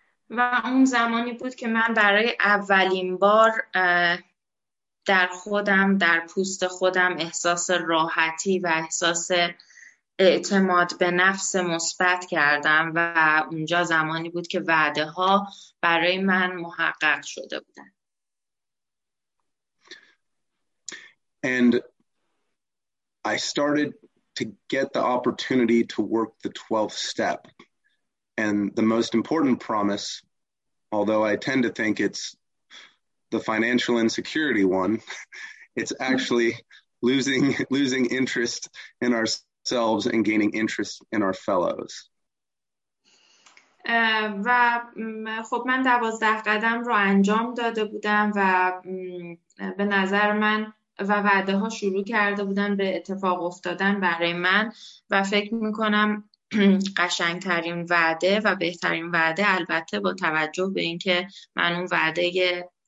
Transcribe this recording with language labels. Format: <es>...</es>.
<fa>و اون زمانی بود که من برای اولین بار در خودم، در پوست خودم، احساس راحتی و احساس اعتماد به نفس مثبت کردم و اونجا زمانی بود که وعده ها برای من محقق شده بودن.</fa> <en>And I started to get the opportunity to work the 12th step. And the most important promise, although I tend to think it's the financial insecurity one, it's actually losing interest in ourselves and gaining interest in our fellows.</en> <fa>و خب من 12 قدم رو انجام داده بودم و به نظر من و وعده ها شروع کرده بودن به اتفاق افتادن برای من و فکر میکنم قشنگترین وعده و بهترین وعده، البته با توجه به اینکه من اون وعده</fa>